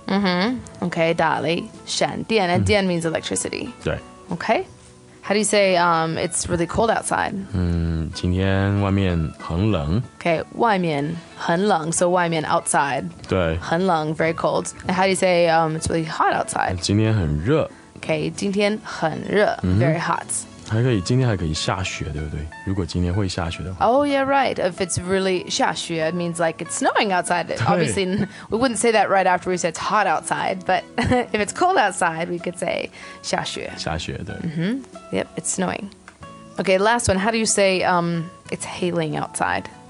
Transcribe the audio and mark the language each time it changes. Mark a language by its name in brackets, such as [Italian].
[English] Mm-hmm. Okay. [Chinese] 打雷闪电. [English] And 电 means electricity. [Chinese] 对. [English] Okay. How do you say it's really cold outside? [Chinese] 今天外面很冷. [English] Okay, 外面很冷, so 外面 outside. [Chinese] 对。很冷, [English] very cold. And how do you say it's really hot outside? [Chinese] 今天很热. [English] Okay, 今天很热, very hot. [Chinese] 还可以,今天还可以下雪,对不对? 如果今天会下雪的话. [English] Oh, yeah, right. If it's really 下雪, it means like it's snowing outside. Obviously, we wouldn't say that right after we say it's hot outside, but if it's cold outside, we could say 下雪. [Chinese] 下雪,对. [English] Mm-hmm. Yep, it's snowing. Okay, last one. How do you say it's hailing outside?